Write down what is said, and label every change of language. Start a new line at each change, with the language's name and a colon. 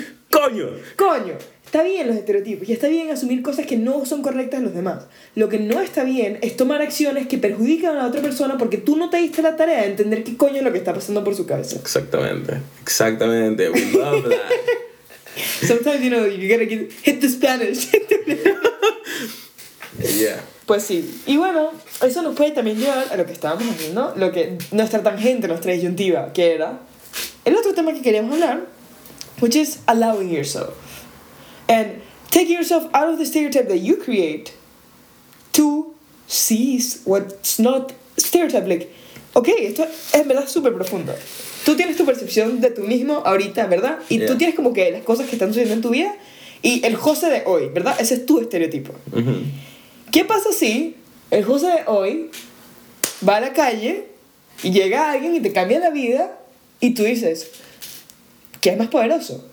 Spanish: Coño. Coño. Está bien los estereotipos y está bien asumir cosas que no son correctas en los demás. Lo que no está bien es tomar acciones que perjudican a la otra persona porque tú no te diste la tarea de entender qué coño es lo que está pasando por su cabeza. Exactamente. Exactamente.
English: We love that. Sometimes, you know, you gotta get, hit the Spanish. Yeah.
Spanish: Pues sí. Y bueno, eso nos puede también llevar a lo que estábamos haciendo, lo que nuestra tangente, nuestra disyuntiva, que era el otro tema que queríamos hablar,
English: which is allowing yourself. And taking yourself out of the stereotype that you create to seize what's not stereotype. Like, okay,
Spanish: esto es en verdad súper profundo. Tú tienes tu percepción de tú mismo ahorita, ¿verdad? Y yeah. Tú tienes como que las cosas que están sucediendo en tu vida y el José de hoy, ¿verdad? Ese es tu estereotipo. Mm-hmm. ¿Qué pasa si el José de hoy va a la calle y llega alguien y te cambia la vida y tú dices... ¿Qué es más poderoso?